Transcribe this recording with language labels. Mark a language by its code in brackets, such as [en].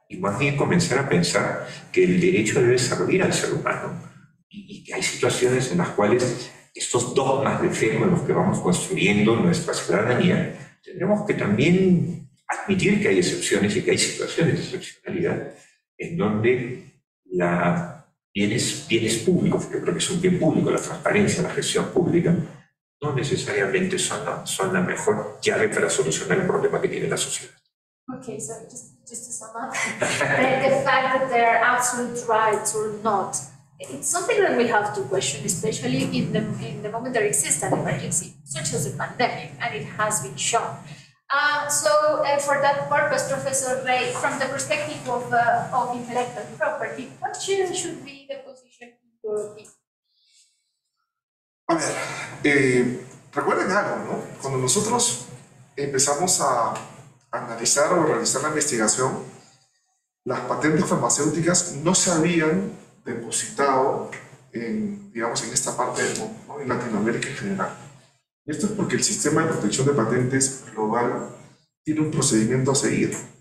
[es] Y más bien comenzar a pensar que el derecho debe servir al ser humano y que hay situaciones en las cuales estos dogmas de fe con los que vamos construyendo nuestra ciudadanía, tendremos que también admitir que hay excepciones y que hay situaciones de excepcionalidad en donde la bienes públicos, que creo que es un bien público, la transparencia, la gestión pública, no necesariamente son la mejor llave para solucionar el problema que tiene la sociedad. [en] Okay, so just to sum up, the fact that there are absolute rights or not, it's something that we have to question, especially in the moment there exists an emergency, such as a pandemic, and it has been shown. So, for that purpose, Professor Ray, from the perspective of intellectual property, what should be the position in your opinion? [es] A ver, recuerden algo, ¿no? Cuando nosotros empezamos a analizar o realizar la investigación, las patentes farmacéuticas no se habían depositado en, digamos, en esta parte del mundo, ¿no? En Latinoamérica en general. Y esto es porque el sistema de protección de patentes global tiene un procedimiento a seguir.